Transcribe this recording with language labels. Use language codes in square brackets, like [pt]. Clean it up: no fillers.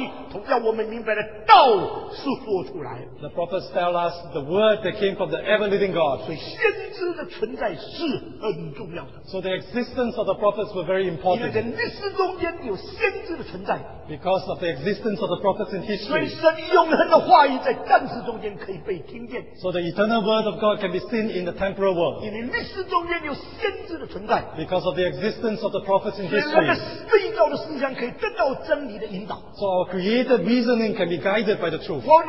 [zh] 他把又活又真的神的话语，同样我们明白的道是说出来。 [en] The prophets tell us the word that came from the ever living God. [zh] 所以先知的存在是很重要的。 [en] So the existence of the prophets were very important. [zh] 因为在历史中间有先知的存在。 [en] Because of the existence of the prophets in history. [zh] 所以神永恒的话语在暂时中间可以被听见。 [en] So the eternal word of God can be seen in the temporal world. [zh] 因为历史中间有先知的存在。 [en] Because of the existence of the prophets in history. [zh] 所以人的思想可以得到真理的引导。 [en] So our creative reasoning can be guided by the truth.